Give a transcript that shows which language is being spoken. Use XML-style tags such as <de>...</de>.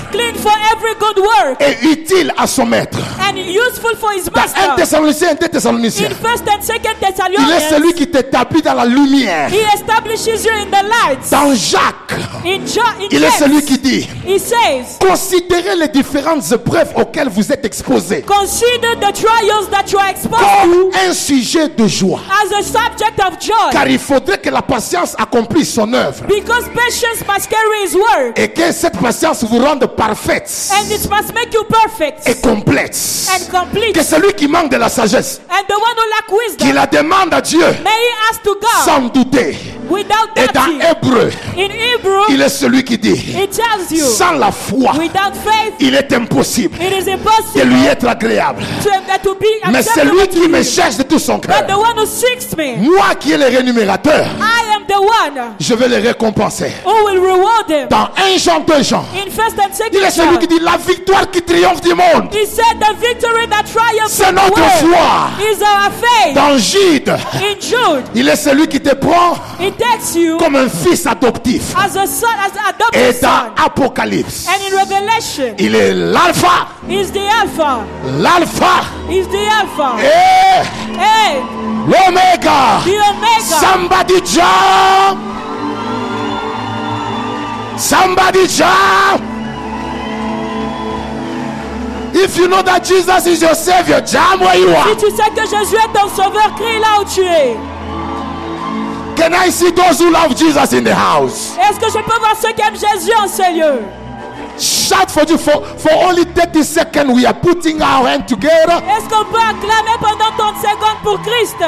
<en>clean for every good work,</en> <fr>et utile à son maître.</fr> <en>And useful for his master.</en> <fr>Dans 1 Thessaloniciens, 2 Thessaloniciens.</fr> <en>In 1st and 2nd Thessalonians,</en> <fr>il est celui qui t'établit dans la lumière.</fr> <en>He establishes you in the light.</en> <fr>Dans Jacques,</fr> <en>in Jacques,</en> <fr>est celui qui dit,</fr> <en>he says,</en> <fr>considérez les différentes épreuves auxquelles vous êtes exposés.</fr> <en>Consider the trials that you are exposed</en> <fr>comme un sujet de joie.</fr> <en>As a subject of joy.</en> <fr>Car il faudrait que la patience accomplisse son œuvre.</fr> <en>Because patience must carry his work.</en> <fr>Et que cette patience vous rende parfaite.</fr> <en>And it must make you perfect.</en> <fr>Et complète.</fr> <en>And complete.</en> <fr>Que celui qui manque de la sagesse,</fr> <en>and the one who lack wisdom,</en> <fr>qui la demande à Dieu,</fr> <en>may he ask to God,</en> <fr>sans douter.</fr> <en>Without doubting.</en> <fr>Et dans Hébreu,</fr> <en>in Hebrew,</en> <fr>il est celui qui dit,</fr> <en>it tells you,</en> <fr>sans la foi,</fr> <en>without faith,</en> <fr>il est impossible,</fr> <en>it is impossible</en> <fr>de lui être agréable.</fr> <en>To be acceptable.</en> <fr>Mais celui qui me cherche de tout son cœur,</fr> <en>but the one who seeks me,</en> <fr>moi qui ai le rémunérateur,</fr> <en>I am the one,</en> <fr>je vais le récompenser.</fr> <en>Who will reward him.</en> <fr>Dans 1 Jean 2 Jean,</fr> <en>in first and second</en> <fr>il est celui</fr> <en>John,</en> <fr>qui dit, la victoire qui triomphe du monde,</fr> <en>he said, the victory that triumphs,</en> <fr>c'est notre</fr> <en>the</en> <fr>foi.</fr> <en>Is our faith.</en> <fr>Dans Jude,</fr> <en>in Jude,</en> <fr>il est celui qui te prend,</fr> <en>he takes you,</en> <fr>comme un fils adoptif,</fr> <en>as a son, as adopted.</en> <fr>Et dans</fr> <en>son.</en> <fr>Apocalypse,</fr> <en>and in Revelation,</en> <fr>il est l'alpha,</fr> <en>is the alpha,</en> <fr>l'alpha,</fr> <en>is the alpha,</en> <fr>et l'omega,</fr> <en>the omega. Somebody jump, somebody jump. If you know that Jesus is your savior, jump where you are.</en> <fr>Si tu sais que Jésus est ton sauveur, crie là où tu es.</fr> <en>Can I see those who love Jesus in the house?</en> <fr>Est-ce que je peux voir ceux qui aiment Jésus en ce lieu?</fr> <en>Shout for you for only 30 seconds. We are putting our hand together.</en> <fr>Est-ce qu'on peut acclamer pendant 30 secondes pour Christ?</fr>